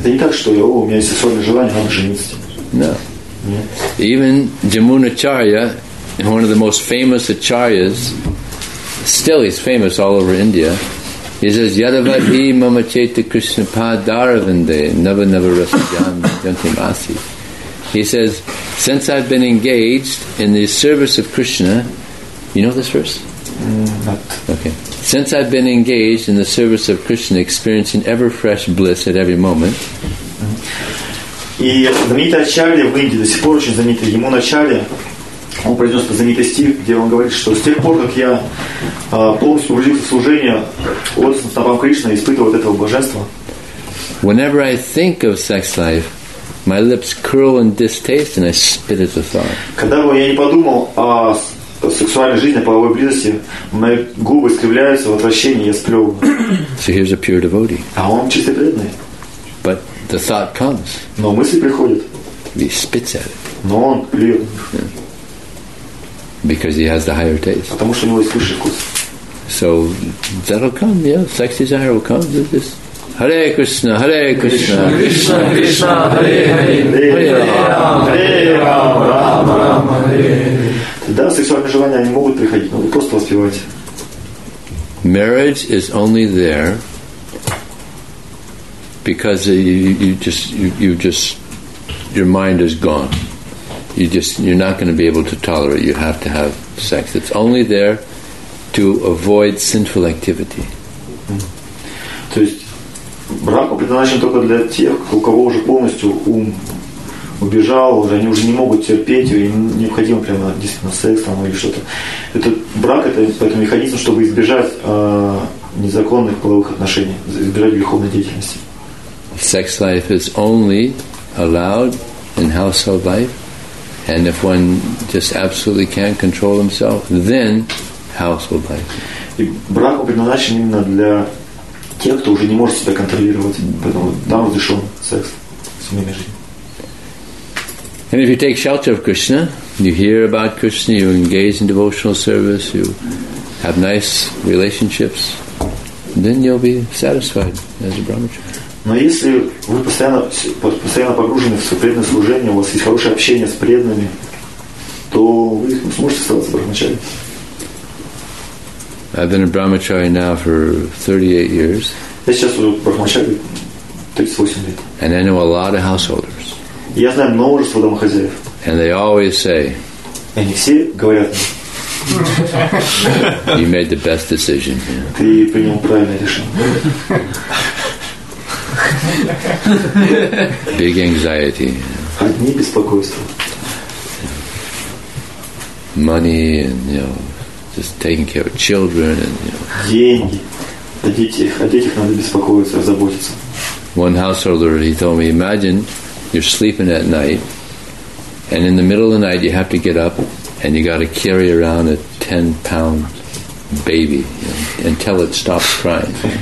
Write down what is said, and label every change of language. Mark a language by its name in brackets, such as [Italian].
[English] No. Even Jamunacharya, one of the most famous acharyas, still he's famous all over India, he says, [Sanskrit] Yadavadhi mama cheta krishna padaravande nava nava rasajam yantim asi. [English] He says, since I've been engaged in the service of Krishna, you know this verse? Okay. Since I've been engaged in the service of Krishna, experiencing ever fresh bliss at every moment. [Russian] И знаменитый Ачарья в Индии, до сих пор очень знаменитый, ему начали, он произнес знаменитый стих, где он говорит, что с тех пор, как я полностью погрузился в служение, вот стопам Кришна испытывал вот этого блаженства. [English] Whenever I think of sex life, my lips curl in distaste and I spit at the thought. [Russian] Когда бы я не подумал о сексуальной жизни, о половой близости, мои губы искривляются в отвращении, я сплевываю. [English] So here's a pure devotee. [Russian] А он чистый преданный. [English] But the thought comes. [Russian] Но мысль приходит. [English] He spits at it. [Russian] Но он плюет. Yeah. [English] Because he has the higher taste. [Russian] Потому что у него есть высший вкус. [English] So that'll come, yeah. Sex desire will come. [Sanskrit] Hare Krishna, Hare Krishna. Hare Krishna, Krishna, Krishna, Hare Hare. Hare Ram, Hare Ram, Ram Ram, Hare. [Russian] Да, сексуальные желания, они могут приходить, но вы просто воспевайте. [English] Marriage is only there because you just your mind is gone. You're not going to be able to tolerate. You have to have sex. It's only there to avoid sinful activity. [Russian] То есть брак предназначен только для тех, у кого уже полностью ум убежал, уже они уже не могут терпеть, им необходимо прямо действительно секс там или что-то. Этот брак это механизм, чтобы избежать незаконных половых отношений, избежать греховной деятельности. [English] Sex life is only allowed in household life, and if one just absolutely can't control himself, then household life. [Russian] И брак предназначен именно для тех, кто уже не может себя контролировать, поэтому там разрешен секс в семейной жизни. [English] And if you take shelter of Krishna, you hear about Krishna, you engage in devotional service, you have nice relationships, then you'll be satisfied as a brahmachari. [Russian] Но если вы постоянно погружены в свое преданное служение, у вас есть хорошее общение с преданными, то вы сможете оставаться брахмачари. [English] I've been a brahmachari now for 38 years. [Russian] Я сейчас уже брахмачари 38 лет. [English] And I know a lot of householders. [Russian] Я знаю множество домохозяев. [English] And they always say. [Russian] И они все говорят. [English] You made the best decision. [Russian] Ты принял правильное решение. [English] Big anxiety. [Russian] Одни беспокойства. [English] Money and, you know, just taking care of children and, you know. [Russian] Деньги. О детях надо беспокоиться, заботиться. [English] One householder, he told me, imagine you're sleeping at night and in the middle of the night you have to get up and you got to carry around a 10-pound baby, you know, until it stops crying.